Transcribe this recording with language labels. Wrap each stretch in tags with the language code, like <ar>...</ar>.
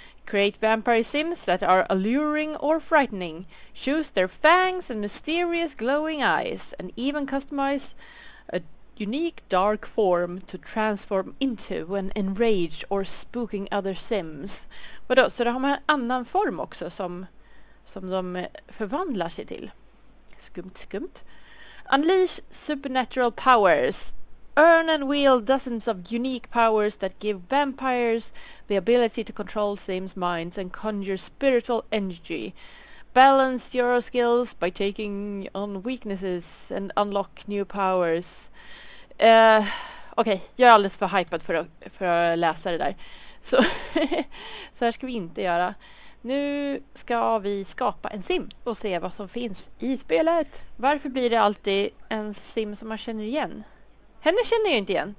<en>Create vampire sims that are alluring or frightening. Choose their fangs and mysterious glowing eyes. And even customize a unique dark form to transform into an enraged or spooking other sims.</en> <sv>Vadå, så då har man en annan form också som de förvandlar sig till. Skumt, skumt.</sv> <en>Unleash supernatural powers. Earn and wield dozens of unique powers that give vampires the ability to control Sims' minds and conjure spiritual energy. Balance your skills by taking on weaknesses and unlock new powers.</en> <sv>Okej, jag är alldeles för hypad för att läsa det där. Så, så här ska vi inte göra. Nu ska vi skapa en sim och se vad som finns i spelet. Varför blir det alltid en sim som man känner igen? Henne känner jag inte igen.</sv>